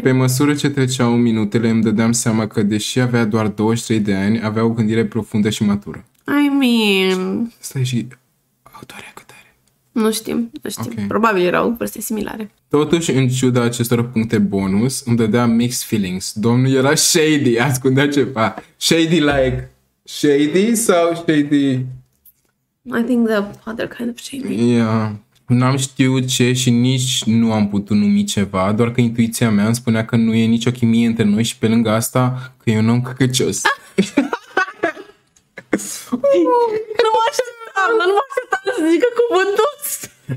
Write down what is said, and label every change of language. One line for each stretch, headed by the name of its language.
Romanian: Pe măsură ce treceau minutele îmi dădeam seama că deși avea doar 23 de ani, avea o gândire profundă și matură.
English: I mean...
Romanian: Stai și... Autoarea cât are? Nu știm. Okay. Probabil erau vârste similare. Totuși, în ciuda acestor puncte bonus, îmi dădea
English: mixed feelings.
Romanian: Domnul era shady, ascundea ceva.
English: Shady like shady sau shady? I think the other kind of shady. Yeah.
Romanian: N-am știut ce și nici nu am putut numi ceva, doar că intuiția mea îmi spunea că nu e nicio chimie între noi și pe lângă asta că eu n-am căcăcios. Nu mă așteptam, dar nu mă așteptam să zică cuvântul ăsta.